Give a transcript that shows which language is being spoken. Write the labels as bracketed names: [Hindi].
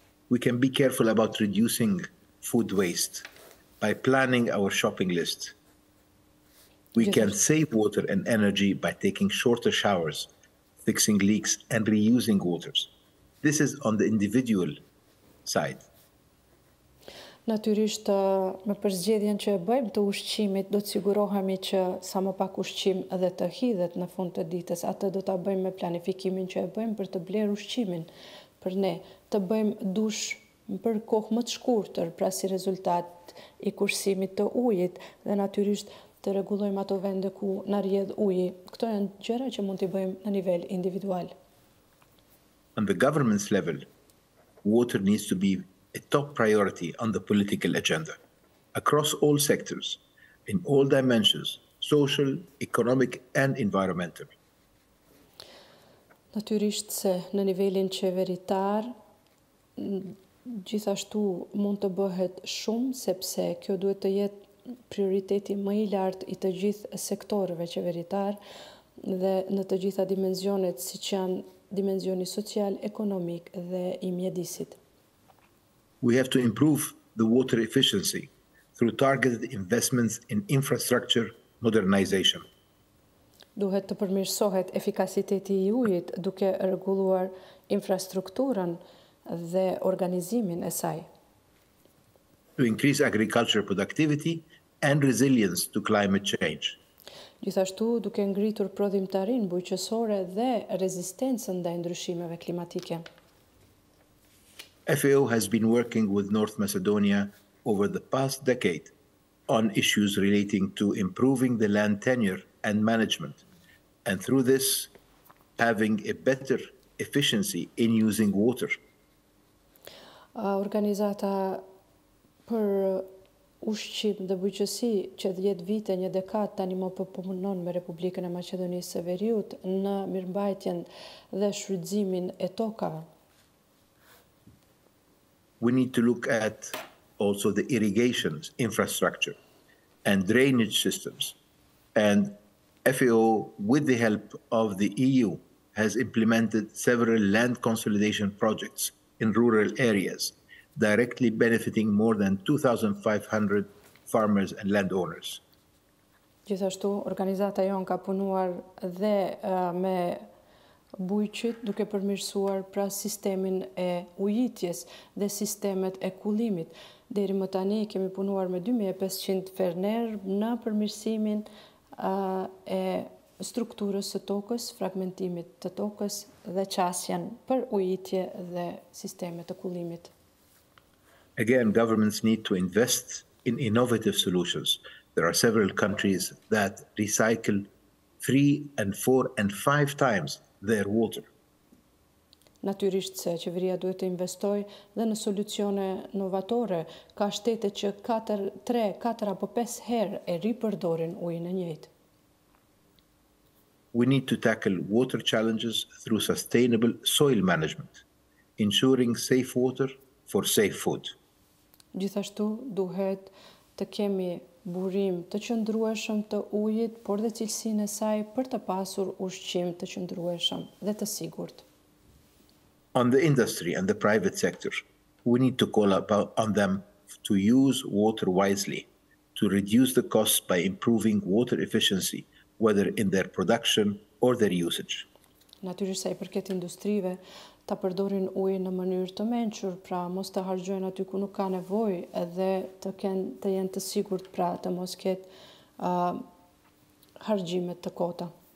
[English] We can be careful about reducing food waste by planning our shopping list. We can save water and energy by taking shorter showers, fixing leaks and reusing waters. This is on the individual side. [Albanian] Natyrisht, me përzgjedhjen që e bëjmë të ushqimit, do të sigurohemi që sa më pak ushqim dhe të hidhet në fund të ditës, atë do ta bëjmë me planifikimin që e bëjmë për të bler ushqimin për ne, të bëjmë dush për kohë më të shkurtër, pra si rezultat i kursimit të ujit, dhe natyrisht të rregullojmë ato vende ku na rrjedh uji. Këto janë gjëra që mund t'i bëjmë në nivel individual. [English] On the government's level, water needs to be a top priority on the political agenda. Across all sectors, in all dimensions, social, economic and environmental. [Albanian] Natyrisht se në nivelin qeveritar, gjithashtu mund të bëhet shumë, sepse kjo duhet të jetë prioriteti më i lartë i të gjithë sektorëve qeveritar dhe në të gjitha dimensionet, si që janë dimensioni social, ekonomik dhe i mjedisit. [English] We have to improve the water efficiency through targeted investments in infrastructure modernization. [Albanian] Duhet të përmirësohet efikasiteti i ujit duke rregulluar infrastrukturën dhe organizimin e saj. [English] To increase agricultural productivity and resilience to climate change. [Albanian] Gjithashtu duke ngritur prodhimtarin bujqësore dhe rezistencën ndaj ndryshimeve klimatike. [English] FAO has been working with North Macedonia over the past decade on issues relating to improving the land tenure and management, and through this, having a better efficiency in using water. [Albanian] Organizata për ushqim dhe bujqësi që 10 vite, një dekad, tani më përpunon me Republikën e Maqedonisë së Veriut në mirëmbajtjen dhe shfrytëzimin e tokave. [English] We need to look at also the irrigation infrastructure and drainage systems. And FAO, with the help of the EU, has implemented several land consolidation projects in rural areas, directly benefiting more than 2,500 farmers and landowners. [Albanian] Gjithashtu, organizata jonë ka punuar dhe me bujqit duke përmirësuar pra sistemin e ujitjes dhe sistemet e kullimit. Deri më tani kemi punuar me 2500 fermer në përmirësimin e strukturës së tokës, fragmentimit të tokës dhe qasjen për ujitje dhe sistemet e kullimit. [English] Again, governments need to invest in innovative solutions. There are several countries that recycle 3, 4, and 5 times their water. [Albanian] Natyrisht se qeveria duhet të investojë dhe në solucione novatore. Ka shtete që 3, 4, apo 5 herë e ripërdorin ujin e njëjtë. [English] We need to tackle water challenges through sustainable soil management, ensuring safe water for safe food. [Albanian] Gjithashtu duhet të kemi burim të qëndrueshëm të ujit, por dhe cilësinë e saj për të pasur ushqim të qëndrueshëm dhe të sigurt. [English] On the industry and the private sector, we need to call upon them to use water wisely, to reduce the costs by improving water efficiency, whether in their production or their usage. [Albanian] natyrisht sa i përket industrive, ta përdorin ujin në mënyrë të mençur, pra mos të harxhojnë aty ku nuk ka nevojë, edhe të kenë të jenë të sigurt pra të mos ketë harxhime të kota.